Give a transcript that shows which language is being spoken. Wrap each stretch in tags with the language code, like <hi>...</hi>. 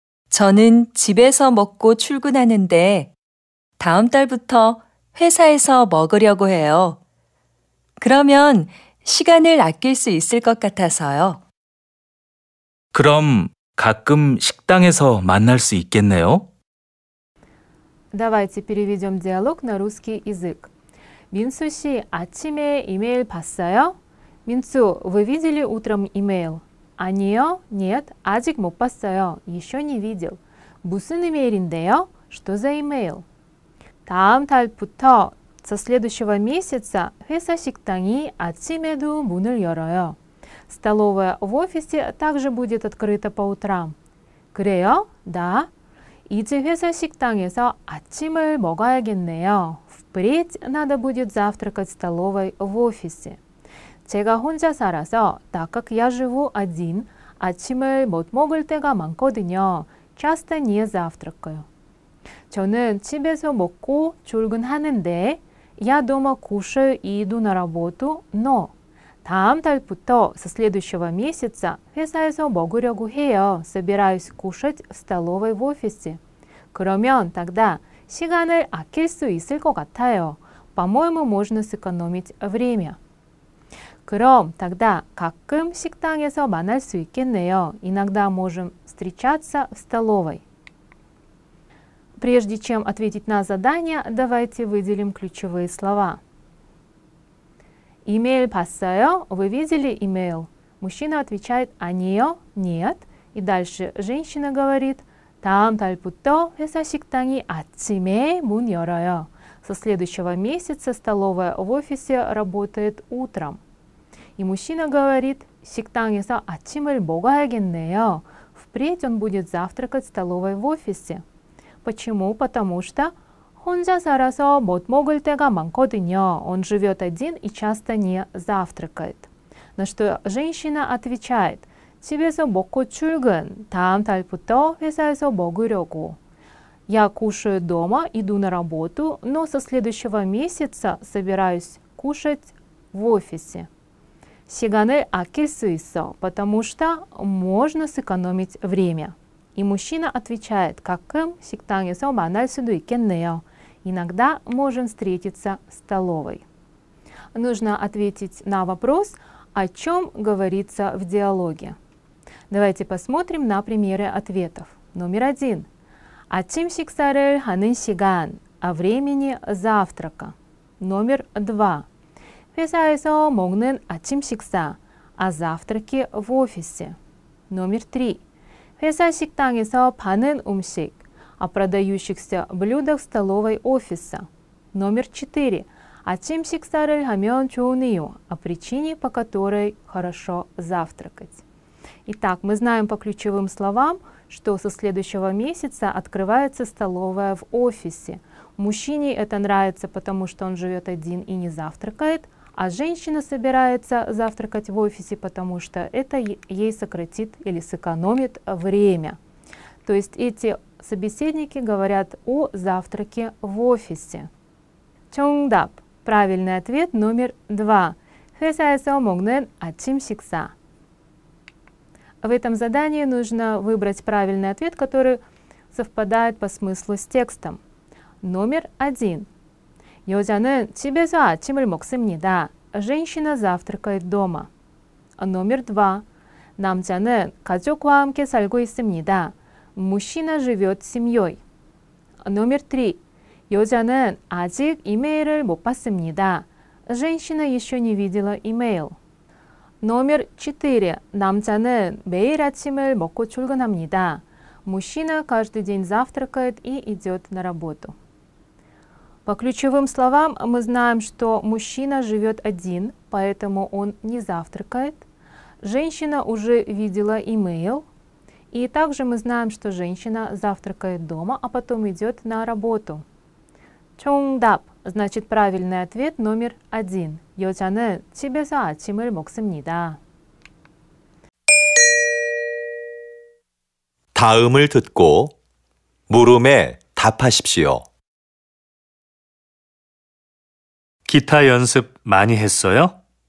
<ko>저는 집에서 먹고 출근하는데 다음 달부터 회사에서 먹으려고 해요. 그러면 시간을 아낄 수 있을 것 같아서요. 그럼 가끔 식당에서 만날 수 있겠네요.</ko> <ru>Давайте переведем диалог на русский язык.</ru> <ko>민수 씨, 아침에 이메일 봤어요?</ko> <ru>민수, вы видели утром email?</ru> <ko>아니요,</ko> <ru>нет,</ru> <ko>아직 못 봤어요.</ko> <ru>Еще не видел.</ru> <ko>무슨 email인데요?</ko> <ru>Что за email?</ru> <ko>다음 달부터,</ko> <ru>со следующего месяца,</ru> <ko>회사 식당이 아침에도 문을 열어요.</ko> <ru>Столовая в офисе также будет открыта по утрам.</ru> <ko>그래요?</ko> <ru>Да.</ru> <ko>이제 회사 식당에서 아침을 먹어야겠네요.</ko> <ru>Впредь надо будет завтракать в столовой в офисе.</ru> <ko>제가 혼자 살아서,</ko> <ru>так как я живу один,</ru> <ko>아침을 못 먹을 때가 많거든요.</ko> <ru>Часто не завтракаю.</ru> <ko>저는 집에서 먹고 출근하는데,</ko> <ru>я дома кушаю и иду на работу, но</ru> <ko>다음 달부터,</ko> <ru>со следующего месяца,</ru> <ko>회사에서 먹으려고 해요.</ko> <ru>Собираюсь кушать в столовой в офисе.</ru> <ko>그러면</ko> <ru>тогда</ru> <ko>시간을 아낄 수 있을 것 같아요.</ko> <ru>По-моему, можно сэкономить время.</ru> <ko>그럼</ko> <ru>тогда</ru> <ko>가끔 식당에서 만날 수 있겠네요.</ko> <ru>Иногда можем встречаться в столовой. Прежде чем ответить на задание, давайте выделим ключевые слова.</ru> <ko>Email 봤어요?</ko> <ru>Вы видели email? Мужчина отвечает</ru> <ko>아니요,</ko> <ru>нет. И дальше женщина говорит</ru> <ko>다음 달부터 회사 식당이 아침에 문 열어요.</ko> <ru>Со следующего месяца столовая в офисе работает утром. И мужчина говорит</ru> <ko>식당에서 아침을 먹어야겠네요.</ko> <ru>Впредь он будет завтракать в столовой в офисе. Почему? Потому что</ru> <ko>혼자 살아서 못 먹을 때가 많거든요.</ko> <ru>Он живет один и часто не завтракает. На что женщина отвечает</ru> <ko>집에서 먹고 출근, 다음 달부터 회사에서 먹으려고.</ko> <ru>Я кушаю дома, иду на работу, но со следующего месяца собираюсь кушать в офисе.</ru> <ko>시간을 아낄 수 있어,</ko> <ru>потому что можно сэкономить время. И мужчина отвечает,</ru> <ko>가끔 식당에서 만날 수도 있겠네요.</ko> <ru>Иногда можем встретиться в столовой. Нужно ответить на вопрос, о чем говорится в диалоге. Давайте посмотрим на примеры ответов. Номер один.</ru> <ko>아침 식사를 하는 시간.</ko> <ru>О времени завтрака. Номер два.</ru> <ko>회사에서 먹는 아침 식사.</ko> <ru>О завтраке в офисе. Номер три.</ru> <ko>회사 식당에서 파는 음식.</ko> <ru>О продающихся блюдах в столовой офиса. Номер четыре.</ru> <ko>아침 식사를 하면 좋은 이유.</ko> <ru>О причине, по которой хорошо завтракать. Итак, мы знаем по ключевым словам, что со следующего месяца открывается столовая в офисе. Мужчине это нравится, потому что он живет один и не завтракает, а женщина собирается завтракать в офисе, потому что это ей сократит или сэкономит время. То есть эти собеседники говорят о завтраке в офисе. Чонгдап. Правильный ответ номер два.</ru> <ko>회사에서 먹는 아침 식사.</ko> <ru>В этом задании нужно выбрать правильный ответ, который совпадает по смыслу с текстом. Номер один.</ru> <ko>여자는 집에서 아침을 먹습니다.</ko> <ru>Женщина завтракает дома. Номер два.</ru> <ko>남자는 가족과 함께 살고 있습니다.</ko> <ru>Мужчина живет с семьей. Номер три.</ru> <ko>여자는 아직 이메일을 못 받습니다.</ko> <ru>Женщина еще не видела имейл. Номер четыре.</ru> <ko>남자는 매일 아침을 먹고 출근합니다.</ko> <ru>Мужчина каждый день завтракает и идет на работу. По ключевым словам мы знаем, что мужчина живет один, поэтому он не завтракает. Женщина уже видела имейл. И также мы знаем, что женщина завтракает дома, а потом идет на работу. Чонгдап. Значит, правильный ответ номер один.</ru> <ko>여자는 집에서 아침을 먹습니다. 다음을 듣고 물음에 답하십시오. 기타 연습 많이 했어요?</ko>